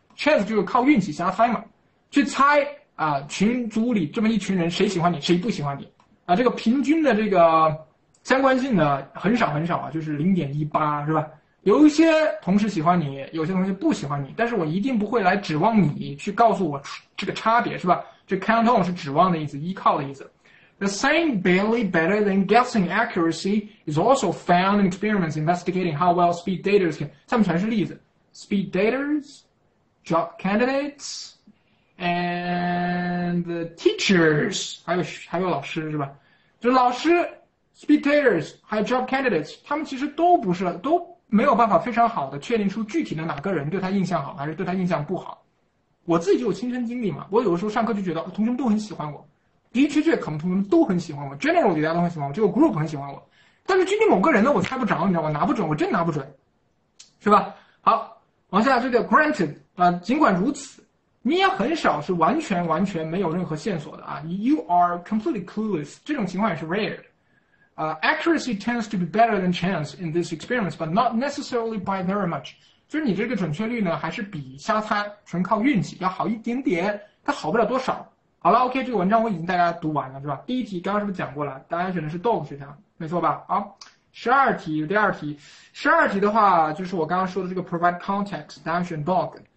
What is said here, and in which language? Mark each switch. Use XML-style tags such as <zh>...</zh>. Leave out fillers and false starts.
<zh>chance 就是靠运气瞎猜嘛，去猜啊，群组里这么一群人谁喜欢你，谁不喜欢你啊？这个平均的这个相关性呢，很少很少啊，就是0.18，是吧？有一些同事喜欢你，有些同事不喜欢你，但是我一定不会来指望你去告诉我这个差别，是吧？这 count on 是指望的意思，依靠的意思。</zh> <en>The same barely better than guessing accuracy is also found in experiments investigating how well speed daters can.</en> <zh>下面全是例子，</zh> <en>speed daters, job candidates, and the teachers.</en> <zh>还有老师是吧？就老师，speed daters 还有 job candidates，他们其实都不是，都没有办法非常好的确定出具体的哪个人对他印象好还是对他印象不好。我自己就有亲身经历嘛，我有的时候上课就觉得同学们都很喜欢我。的确确，可能同学们都很喜欢我，general 大家都很喜欢我，这个 group 很喜欢我，但是具体某个人呢，我猜不着，你知道吗？拿不准，我真拿不准，是吧？好，往下这个 granted 啊，尽管如此，你也很少是完全完全没有任何线索的啊，</zh> <en>you are completely clueless，</en> <zh>这种情况也是 rare 的。</zh> <en>Accuracy tends to be better than chance in these experiments, but not necessarily by very much。</en> <zh>就是你这个准确率呢，还是比瞎猜、纯靠运气要好一点点，它好不了多少。好了，OK，这个文章我已经大家读完了，是吧？第一题刚刚是不是讲过了？答案选的是 dog 选项，没错吧？好，十二题，第二题，十二题的话就是我刚刚说的这个 provide context，答案选 dog。</zh>